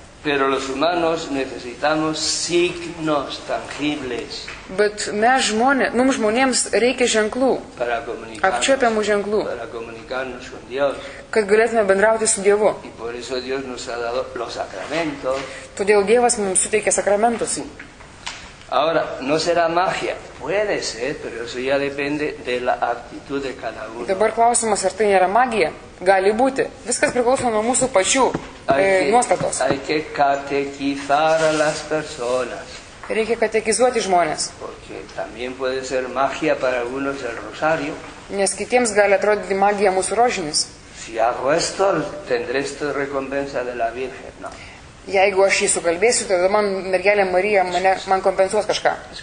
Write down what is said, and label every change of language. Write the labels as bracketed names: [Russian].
[Spanish] Pero los humanos necesitamos signos tangibles. [Lithuanian] Bet mes žmonė, mums žmonėms reikia ženklų. [Spanish] Para comunicar. [Lithuanian] Apčiuopiamų ženklų. [Spanish] Para comunicarnos con Dios. [Lithuanian] Kad galėtume bendrauti su Dievu. [Spanish] Y por eso Dios nos ha dado los sacramentos. [Lithuanian] Todėl Dievas mums suteikė sakramentus. [Spanish] Ahora, no será magia. Puede ser, pero eso ya depende de la actitud de cada uno. [Lithuanian] Dabar klausimas, ar tai nėra magija? Gali būti. Viskas priklauso nuo mūsų pačių nuostatos. [Spanish] Hay que catequizar a las personas. [Lithuanian] Reikia katekizuoti žmonės. [Spanish] Porque también puede ser magia para algunos el rosario. [Lithuanian] Nes kitiems gali atrodyti magija mūsų rožinis. [Spanish] Si hago esto, tendré esta recompensa de la Virgen, no. [Lithuanian] Jeigu aš jį sukalbėsiu, tada man mergelė Marija man kompensuos kažką.